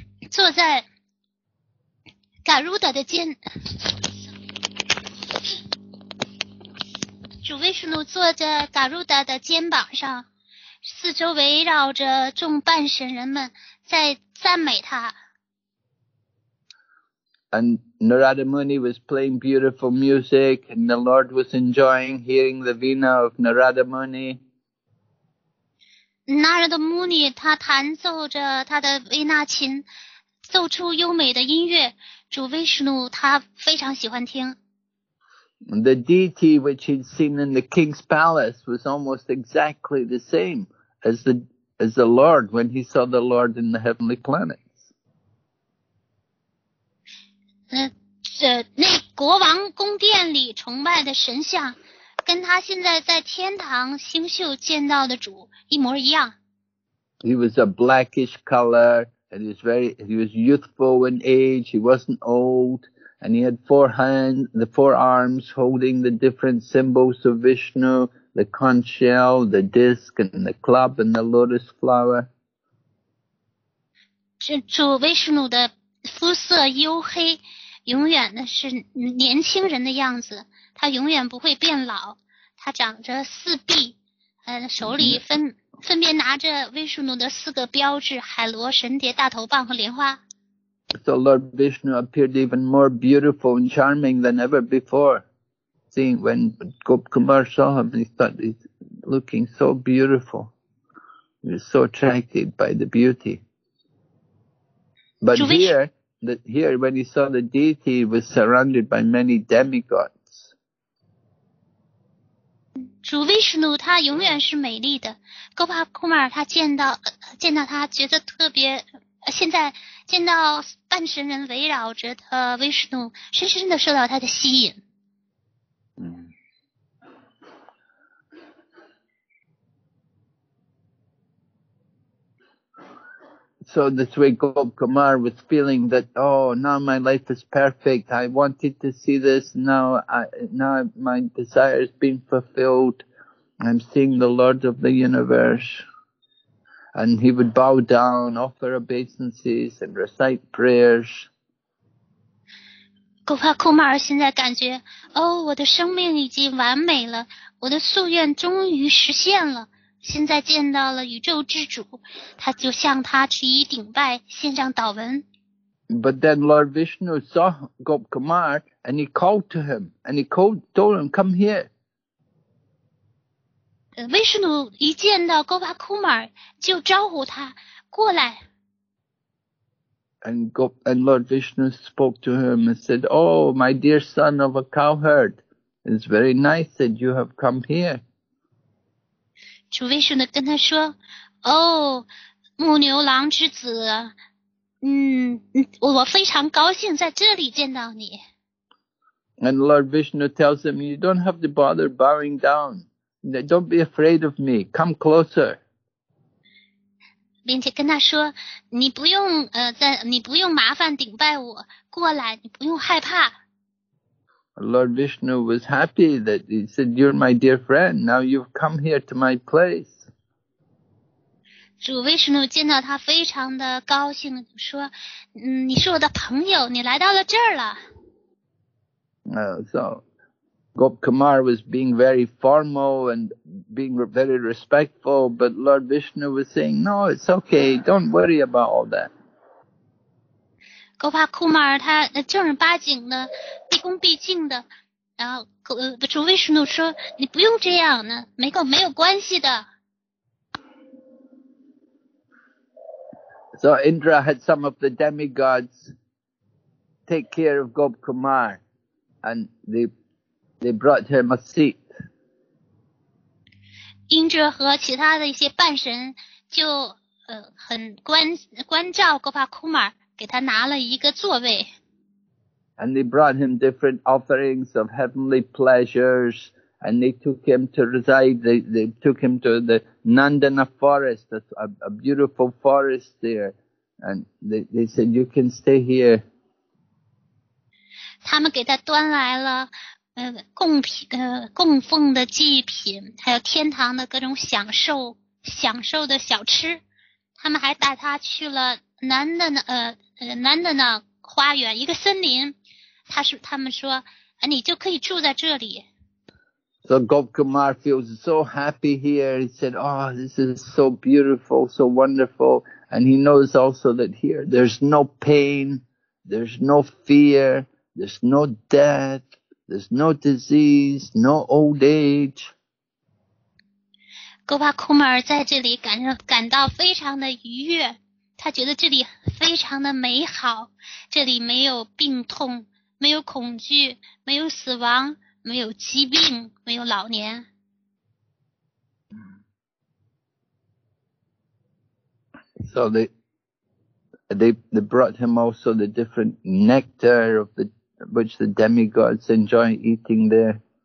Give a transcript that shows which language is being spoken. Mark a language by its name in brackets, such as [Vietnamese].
[Chinese] 坐在嘎鲁达的肩，主维什努坐在嘎鲁达的肩膀上，四周围绕着众半神人们在赞美他。 [English] And Narada Muni was playing beautiful music, and the Lord was enjoying hearing the vina of Narada Muni. [Chinese] Narada Muni, 他弹奏着他的维纳琴，奏出优美的音乐。主维什努他非常喜欢听。 [English] The deity which he'd seen in the king's palace was almost exactly the same as the Lord when he saw the Lord in the heavenly planet. [Chinese] 那国王宫殿里崇拜的神像跟他现在在天堂星宿见到的主一模一样。 [English] He was a blackish color, and he was youthful in age, he wasn't old, and he had the four arms holding the different symbols of Vishnu, the conch shell, the disc, and the club, and the lotus flower. [Chinese] 主维什努的肤色黝黑，永远的是年轻人的样子，他永远不会变老。他长着四臂，手里分别拿着维什努的四个标志：海螺、神蝶、大头棒和莲花。 [English] So Lord Vishnu appeared even more beautiful and charming than ever before. Seeing when Gop Kumar saw him, he thought he's looking so beautiful. He was so attracted by the beauty. But here, when he saw the deity, he was surrounded by many demigods. [Chinese] 主维什努他永远是美丽的。 Gopa Kumar 他见到他觉得特别，现在见到半神人围绕着他，维什努深深的受到他的吸引。 [English] So this way Gop Kumar was feeling that, oh, now my life is perfect. I wanted to see this. Now my desire has been fulfilled. I'm seeing the Lord of the universe. And he would bow down, offer obeisances, and recite prayers. [Chinese] Gop Kumar 现在感觉，哦，我的生命已经完美了，我的夙愿终于实现了。现在见到了宇宙之主，他就向他去以顶拜，献上祷文。 [English] But then Lord Vishnu saw Gop Kumar and he called to him and he told him, come here. [Chinese] Vishnu 一见到 Gop Kumar 就招呼他过来。 [English] And Lord Vishnu spoke to him and said, oh, my dear son of a cowherd, it's very nice that you have come here. [Chinese] 主维什努跟他说，哦，牧牛郎之子，我非常高兴在这里见到你。 [English] And Lord Vishnu tells him, you don't have to bother bowing down. Don't be afraid of me. Come closer. [Chinese] 并且跟他说，你不用麻烦顶拜我，过来，你不用害怕。 [English] Lord Vishnu was happy that he said, you're my dear friend, now you've come here to my place. [Chinese] 主维什努见到他非常的高兴，说，你是我的朋友，你来到了这儿了。 [English] So, Gop Kumar was being very formal and being very respectful, but Lord Vishnu was saying, no, it's okay, don't worry about all that. [Chinese] Gopa Kumar 他正儿八经的毕恭毕敬的，然后主维什努说，你不用这样呢，没有关系的。 [English] So Indra had some of the demigods take care of Gop Kumar and they brought him a seat. [Chinese] Indra 和其他的一些半神就很关照 Gopa Kumar，给他拿了一个座位。 [English] And they brought him different offerings of heavenly pleasures, and they took him to reside, they took him to the Nandana forest, a beautiful forest there, and they said, you can stay here. [Chinese] 他们给他端来了供奉的祭品，还有天堂的各种享受的小吃，他们还带他去了男的呢花园，一个森林，他们说你就可以住在这里。 [English] So Gop Kumar feels so happy here. He said, oh, this is so beautiful, so wonderful. And he knows also that here there's no pain, there's no fear, there's no death, there's no disease, no old age. [Chinese] Gop Kumar 在这里感到非常的愉悦，他觉得这里非常的美好，这里没有病痛，没有恐惧，没有死亡，没有疾病，没有老年。 [English] So they brought him also the different nectar of the which the demigods enjoy eating there.